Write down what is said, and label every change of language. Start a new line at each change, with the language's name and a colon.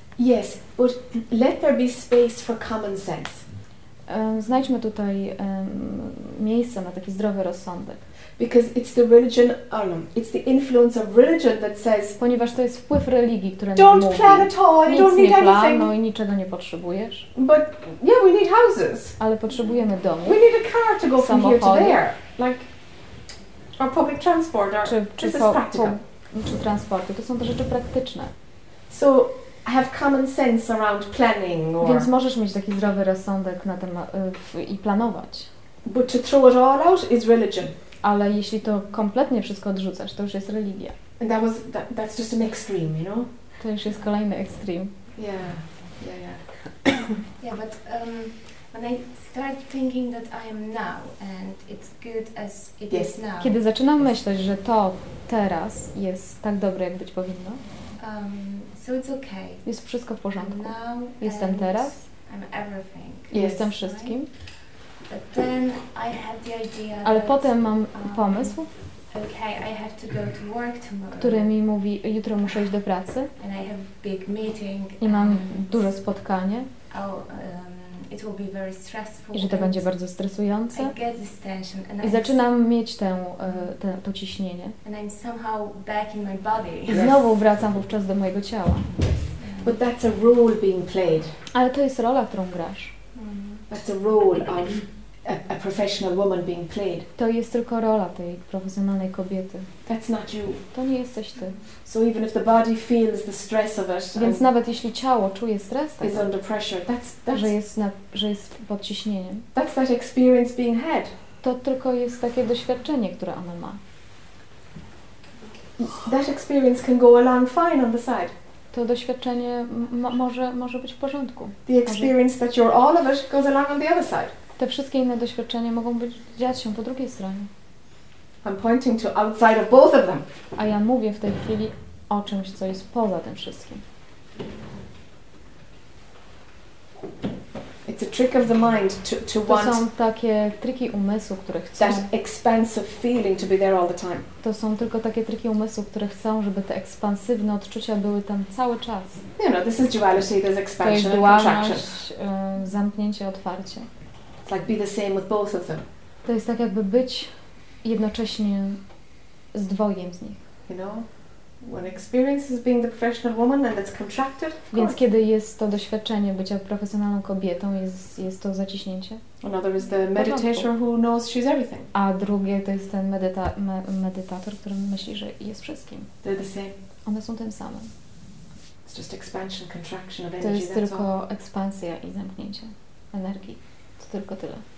English: Yes, but let there be space for common sense.
Polish: Znajdźmy tutaj miejsce na taki zdrowy rozsądek.
English: Because it's the religion, it's the influence of religion that says.
Polish: Ponieważ to jest wpływ religii, która mówi.
English: Don't plan at all. You don't need anything.
Polish: No i niczego nie potrzebujesz.
English: But yeah, we need houses.
Polish: Ale potrzebujemy domu.
English: We need a car to go from here to there. Like our public transport.
Polish: Czy transporty? To są te rzeczy praktyczne.
English: So. I have common sense around planning or.
Polish: Więc możesz mieć taki zdrowy rozsądek na temat i planować.
English: But to throw it all out is religion.
Polish: Ale jeśli to kompletnie wszystko odrzucasz, to już jest religia.
English: And that was that's just an extreme, you know?
Polish: To już jest kolejny extreme.
English: Yeah, but when I start thinking that I am now and it's good as it yes. is now.
Polish: Kiedy zaczynam myśleć, że to teraz jest tak dobre, jak być powinno.
English: So it's okay.
Polish: Jest wszystko w porządku.
English: I'm now,
Polish: jestem teraz.
English: I'm everything.
Polish: Jestem wszystkim.
English: But then I have the idea.
Polish: Ale
English: that,
Polish: potem mam pomysł.
English: Okay, I have to go to work tomorrow.
Polish: Który mi mówi, jutro muszę iść do pracy.
English: And I have big meeting.
Polish: I mam duże spotkanie.
English: Oh, it will be very stressful.
Polish: I że to będzie bardzo stresujące.
English: I get this tension and
Polish: I zaczynam mieć to ciśnienie.
English: And I'm somehow back in my body.
Polish: I znowu wracam wówczas do mojego ciała.
English: But that's a role being played.
Polish: Ale to jest rola, którą grasz.
English: That's a role of a professional woman being played.
Polish: To jest tylko rola tej profesjonalnej kobiety.
English: That's not you.
Polish: To nie jesteś ty.
English: So even if the body feels the stress of it.
Polish: Więc nawet jeśli ciało czuje stres,
English: is under pressure.
Polish: Że jest pod ciśnieniem.
English: That's that experience being had.
Polish: To tylko jest takie doświadczenie, które ona ma.
English: That experience can go along fine on the side.
Polish: To doświadczenie może być w porządku.
English: The experience that you're all of it goes along on the other side.
Polish: Te wszystkie inne doświadczenia mogą dziać się po drugiej stronie.
English: I'm pointing to outside of both of them.
Polish: A ja mówię w tej chwili o czymś, co jest poza tym wszystkim.
English: It's a trick of the mind to want.
Polish: To są takie triki umysłu, które chcą.
English: That expansive feeling to be there all the time.
Polish: To są tylko takie triki umysłu, które chcą, żeby te ekspansywne odczucia były tam cały czas.
English: You know, this is duality. There's expansion and contraction.
Polish: To jest dualność, zamknięcie, otwarcie.
English: It's like be the same with both of them.
Polish: To jest tak jakby być jednocześnie z dwojgiem z nich.
English: You know? When experience is being the professional woman and it's contracted.
Polish: Więc kiedy jest to doświadczenie bycia profesjonalną kobietą, jest to zaciśnięcie.
English: Another is the meditator who knows she's everything.
Polish: A drugie to jest ten medytator, który myśli, że jest wszystkim.
English: They're the same.
Polish: One są tym samym.
English: It's just expansion, contraction of energy.
Polish: To jest tylko ekspansja i zamknięcie energii. To tylko tyle.